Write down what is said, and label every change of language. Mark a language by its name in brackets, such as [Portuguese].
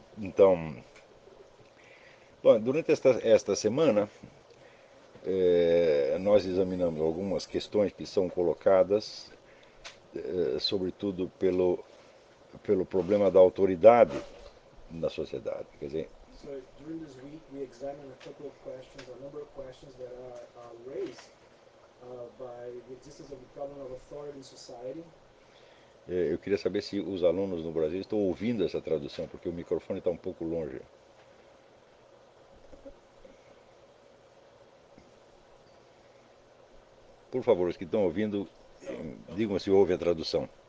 [Portuguese] Então, bom, durante esta semana, nós examinamos algumas questões que são colocadas, sobretudo pelo problema da autoridade na sociedade. Quer dizer, [English] so, during this week, we examined a couple of questions, a number of questions that are raised by the existence of the problem of authority in society. [Portuguese] Eu queria saber se os alunos no Brasil estão ouvindo essa tradução, porque o microfone está um pouco longe. Por favor, os que estão ouvindo, digam se ouve a tradução.